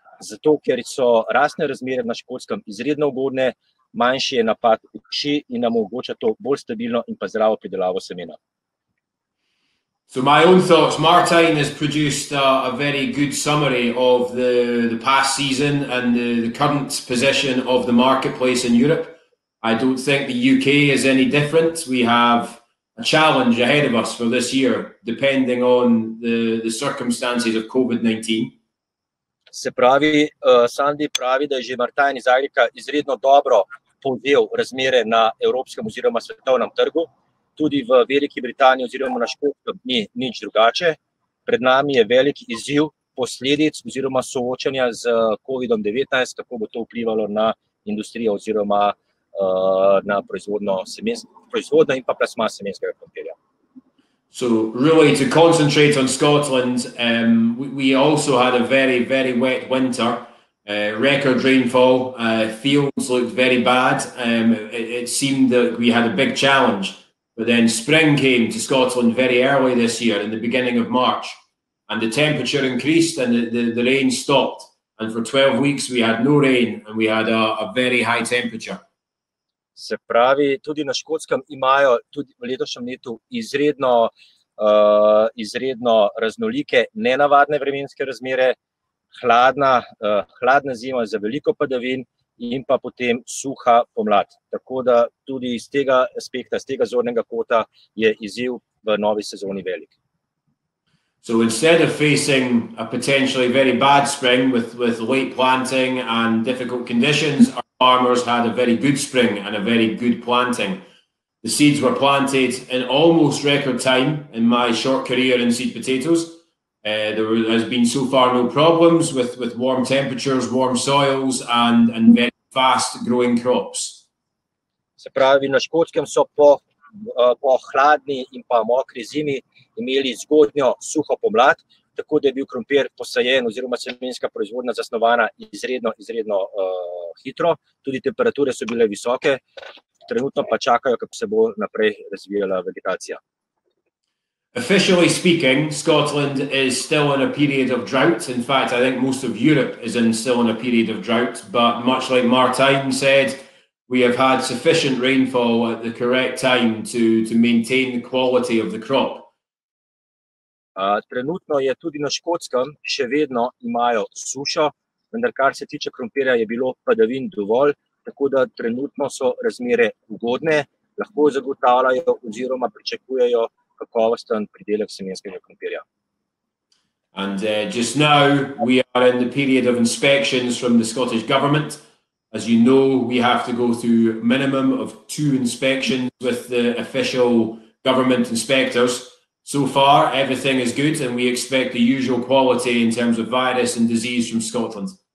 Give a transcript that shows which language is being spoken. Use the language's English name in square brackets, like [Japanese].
[Slovenian] Zato, ker so rastne razmere na Škotskem izredno ugodne, manjši je napad uši in nam omogoča to bolj stabilno in pa zdravo pridelavo semena. [English] So my own thoughts, Martijn has produced a very good summary of the past season and the current position of the marketplace in Europe. I don't think the UK is any different. We have a challenge ahead of us for this year, depending on the circumstances of COVID-19. [Slovenian] Se pravi, Sandi pravi, da je že Martijn iz Agrika izredno dobro povedal razmere na evropskem oziroma svetovnem trgu. Tudi v Veliki Britaniji oziroma na Škotskem ni nič drugače. Pred nami je velik izziv posledic oziroma soočanja z COVID-19, kako bo to vplivalo na industrijo oziroma na proizvodno in pa plasma semenskega krompirja. [English] So really to concentrate on Scotland, we also had a very, very wet winter. Record rainfall, fields looked very bad. It seemed that we had a big challenge. But then spring came to Scotland very early this year, in the beginning of March, and the temperature increased and the rain stopped. And for 12 weeks we had no rain and we had a very high temperature. [Slovenian] Se pravi, tudi na Škotskem imajo tudi v letošnjem letu izredno, izredno raznolike, nenavadne vremenske razmere. hladna, hladna zima za veliko padavin in pa potem suha pomlad. Tako da tudi iz tega aspekta, z tega zornega kota je izziv v novi sezoni velik. [English] So instead of facing a potentially very bad spring with late planting and difficult conditions, our farmers had a very good spring and a very good planting. The seeds were planted in almost record time in my short career in seed potatoes. There has been so far no problems with warm temperatures, warm soils and very fast growing crops. [Slovenian] Se pravi, na Škotskem so po hladni in pa mokri zimi imeli zgodnjo suho pomlad, tako da je bil krompir posajen oziroma semenska proizvodnja zasnovana izredno hitro. Tudi temperature so bile visoke, trenutno pa čakajo, kako se bo naprej razvijala vegetacija. [English] Officially speaking, Scotland is still in a period of drought. In fact, I think most of Europe is still in a period of drought. But much like Martijn said, we have had sufficient rainfall at the correct time to maintain the quality of the crop. [Slovenian] Trenutno je tudi na Škotskem, še vedno imajo sušo, vendar kar se tiče krompirja je bilo padavin dovolj, tako da trenutno so razmere ugodne, lahko zagotavljajo oziroma pričakujejo kakovosten pridelek semenskega krompirja. [English] And just now we are in the period of inspections from the Scottish government. As you know, we have to go through a minimum of 2 inspections with the official government inspectors. So far, everything is good and we expect the usual quality in terms of virus and disease from Scotland.